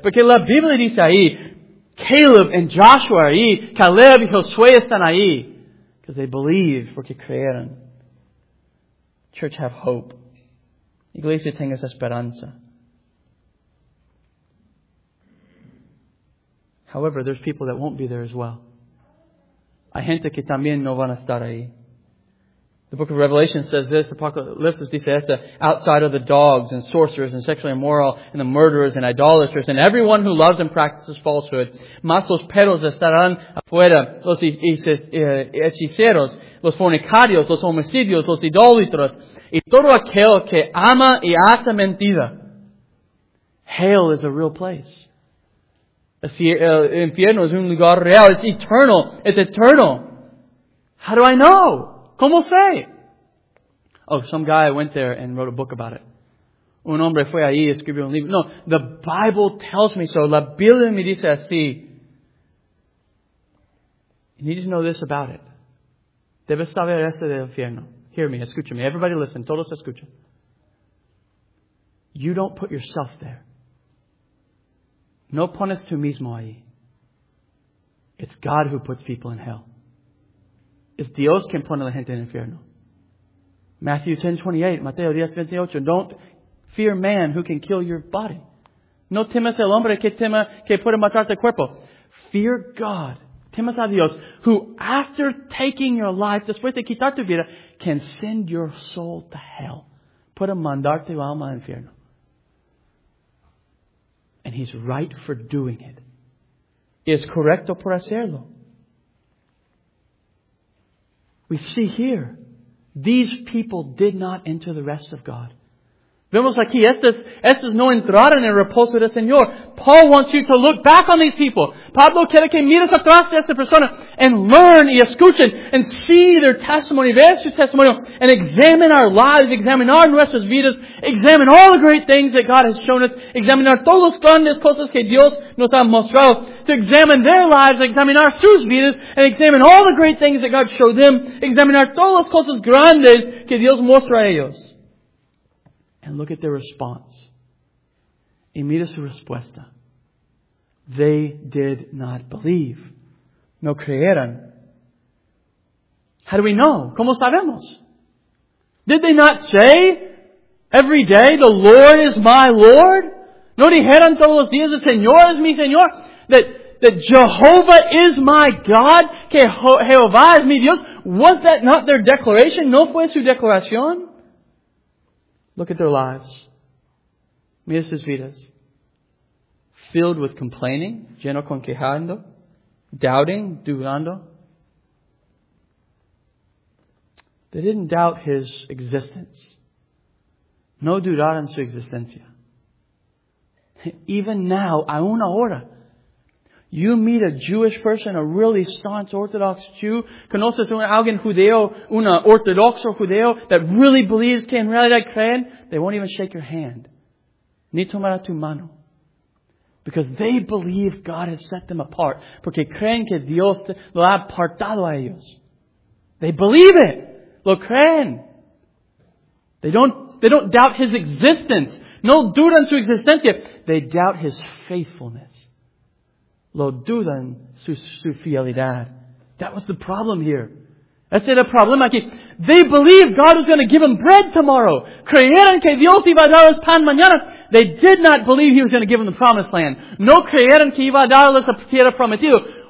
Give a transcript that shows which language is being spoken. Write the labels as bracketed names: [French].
[Spanish] Porque la Biblia dice ahí, [English] Caleb and Joshua are [Spanish] ahí, Caleb y Josué están ahí. [English] Because they believe, [Spanish] porque creyeron. [English] Church, have hope. [Spanish] Iglesia, tengas esperanza. [English] However, there's people that won't be there as well. [Spanish] Hay gente que también no van a estar ahí. [English] The book of Revelation says this, [Spanish] Apocalypse dice esto, [English] outside of the dogs and sorcerers and sexually immoral and the murderers and idolaters and everyone who loves and practices falsehood, [Spanish] más los perros estarán afuera, los hechiceros, los fornicarios, los homicidios, los idólatras, y todo aquel que ama y hace mentira. [English] Hell is a real place. [Spanish] El infierno es un lugar real. [English] It's eternal. It's eternal. How do I know? [Spanish] ¿Cómo sé? [English] Oh, some guy went there and wrote a book about it. [Spanish] Un hombre fue ahí y escribió un libro. [English] No, the Bible tells me so. [Spanish] La Biblia me dice así. [English] You need to know this about it. [Spanish] Debes saber esto del infierno. [English] Hear me, [Spanish] escúchame. [English] Everybody listen. [Spanish] Todos escuchen. You don't put yourself there. No pones tú mismo ahí. [English] It's God who puts people in hell. [Spanish] Es Dios quien pone a la gente en el infierno. [English] Matthew 10:28, Mateo 10:28. Don't fear man who can kill your body. [Spanish] No temas el hombre que tema que puede matar tu cuerpo. [English] Fear God. [Spanish] Temas a Dios [English] who, after taking your life, [Spanish] después de quitar tu vida, [English] can send your soul to hell. [Spanish] Puede mandar tu alma al infierno. [English] And he's right for doing it. [Spanish] Es correcto por hacerlo. [English] We see here, these people did not enter the rest of God. [Spanish] Vemos aquí, estos no entraron en el reposo del Señor. [English] Paul wants you to look back on these people. [Spanish] Pablo quiere que mires atrás de esta persona [English] and learn [Spanish] y escuchen [English] and see their testimony, [Spanish] ver su testimonio [English] and examine our lives, examine our [Spanish] nuestras vidas, [English] examine all the great things that God has shown us, [Spanish] examine todos los grandes cosas que Dios nos ha mostrado, [English] to examine their lives, examine our [Spanish] sus vidas [English] and examine all the great things that God showed them, [Spanish] examine todos los cosas grandes que Dios mostró a ellos. [English] And look at their response. [Spanish] Y mira su respuesta. [English] They did not believe. [Spanish] No creyeron. [English] How do we know? [Spanish] ¿Cómo sabemos? [English] Did they not say every day, the Lord is my Lord? [Spanish] ¿No dijeron todos los días, el Señor es mi Señor? [English] That Jehovah is my God? [Spanish] ¿Que Jehová es mi Dios? [English] Was that not their declaration? [Spanish] ¿No fue su declaración? [English] Look at their lives. [Spanish] Mira sus vidas. [English] Filled with complaining, [Spanish] lleno con quejando, [English] doubting, [Spanish] dudando. [English] They didn't doubt his existence. [Spanish] No dudaron su existencia. [English] Even now, [Spanish] a una hora, [English] you meet a Jewish person, a really staunch Orthodox Jew, [Spanish] conoces a alguien judeo, una ortodoxo judeo, [English] that really believes, [Spanish] que en realidad creen, [English] they won't even shake your hand. [Spanish] Ni tomará tu mano. [English] Because they believe God has set them apart. [Spanish] Porque creen que Dios lo ha apartado a ellos. [English] They believe it. [Spanish] Lo creen. [English] They don't doubt his existence. [Spanish] No dudan su existencia. [English] They doubt his faithfulness. [Spanish] Lo dudan su fidelidad. [English] That was the problem here. [Spanish] Ese era el problema aquí. [English] They believed God was going to give them bread tomorrow. [Spanish] Creyeron que Dios iba a darles pan mañana. [English] They did not believe he was going to give them the promised land. [Spanish] No creyeron que iba a darles la tierra prometida.